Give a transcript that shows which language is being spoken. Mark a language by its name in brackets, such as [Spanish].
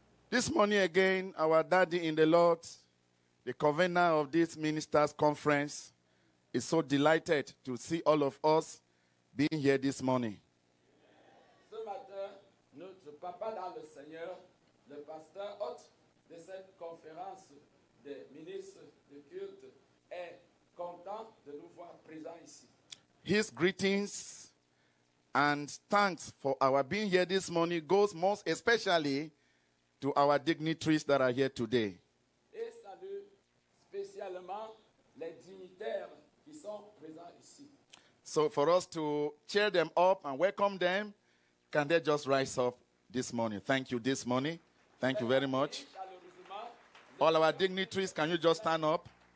[English] This morning again, our daddy in the Lord, the convener of this minister's conference, is so delighted to see all of us being here this morning. [French] Ce matin, notre papa dans le Seigneur, le pasteur hôte de cette conférence des ministres de culte, est content de nous voir présents ici. [English] His greetings and thanks for our being here this morning goes most especially to our dignitaries that are here today. [French] Et salut spécialement les dignitaires qui sont présents ici. [English] So for us to cheer them up and welcome them, can they just rise up this morning? Thank you this morning. Thank you very much. All our dignitaries, can you just stand up?